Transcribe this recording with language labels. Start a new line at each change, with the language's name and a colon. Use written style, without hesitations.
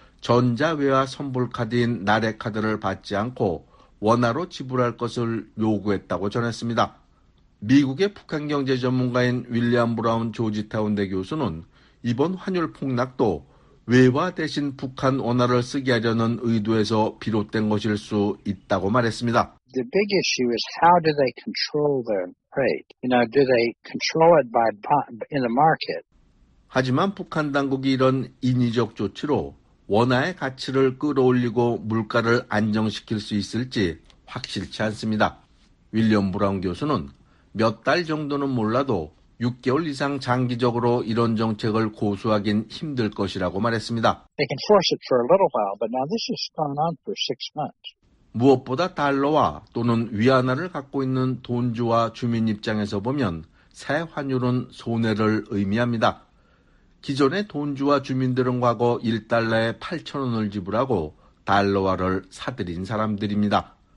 Korean: 전자외화 선불카드인 나래카드를 받지 않고 원화로 지불할 것을 요구했다고 전했습니다. 미국의 북한 경제 전문가인 윌리엄 브라운 조지타운 대 교수는 이번 환율 폭락도 외화 대신 북한 원화를 쓰게 하려는 의도에서 비롯된 것일 수 있다고 말했습니다.
English: The big issue is how do they control their rate? You know, do they control it by in the market?
Korean: 하지만 북한 당국이 이런 인위적 조치로 원화의 가치를 끌어올리고 물가를 안정시킬 수 있을지 확실치 않습니다. 윌리엄 브라운 교수는 몇 달 정도는 몰라도 6개월 이상 장기적으로 이런 정책을 고수하긴 힘들 것이라고 말했습니다.
English: They can force it for a little while, but now this has gone on for six months.
Korean: 무엇보다 달러와 또는 위안화를 갖고 있는 돈주와 주민 입장에서 보면 새 환율은 손해를 의미합니다. 기존의 돈주와 주민들은 과거 1달러에 8,000원을 지불하고 달러화를 사들인 사람들입니다.